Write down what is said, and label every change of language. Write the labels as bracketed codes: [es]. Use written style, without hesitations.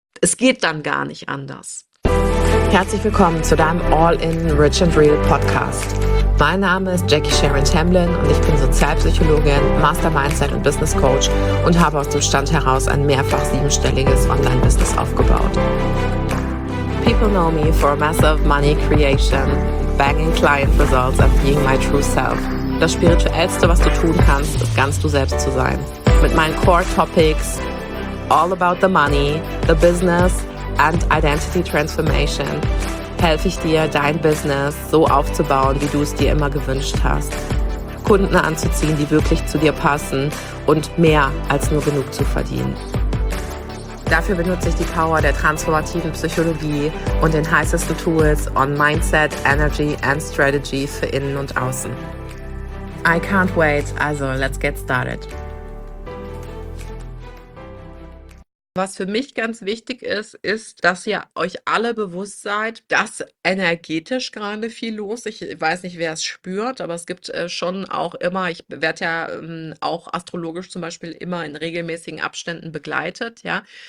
[de] Es geht dann gar nicht anders. Herzlich willkommen zu deinem All-in Rich and Real Podcast. Mein Name ist Jackie Sharon Tamblyn und ich bin Sozialpsychologin, Master Mindset und Business Coach und habe aus dem Stand heraus ein mehrfach siebenstelliges Online-Business aufgebaut. [en] People know me for massive money creation, banging client results and being my true self. [de] Das Spirituellste, was du tun kannst, ist ganz du selbst zu sein. Mit meinen Core Topics, [en] all about the money, the business and identity transformation, [de] helfe ich dir, dein Business so aufzubauen, wie du es dir immer gewünscht hast. Kunden anzuziehen, die wirklich zu dir passen und mehr als nur genug zu verdienen. Dafür benutze ich die Power der transformativen Psychologie und den heißesten Tools [en] on Mindset, Energy and Strategy [de] für innen und außen. [en] I can't wait, also let's get started. [de] Was für mich ganz wichtig ist, ist, dass ihr euch alle bewusst seid, dass energetisch gerade viel los. Ich weiß nicht, wer es spürt, aber es gibt schon auch immer, ich werde ja auch astrologisch zum Beispiel immer in regelmäßigen Abständen begleitet, ja.